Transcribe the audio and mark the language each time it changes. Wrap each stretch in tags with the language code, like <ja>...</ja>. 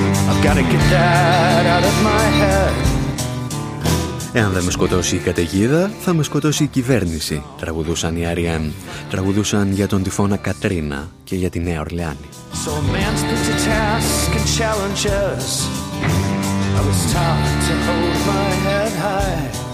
<en>I've got to get that out of my head.</en> <el>Εάν δεν με σκοτώσει η καταιγίδα, θα με σκοτώσει η κυβέρνηση, τραγουδούσαν οι Αριέν. Τραγουδούσαν για τον τυφώνα Κατρίνα και για τη Νέα Ορλεάνη.</el> <en>So a man's put to task and challenges. I was taught to hold my head high.</en>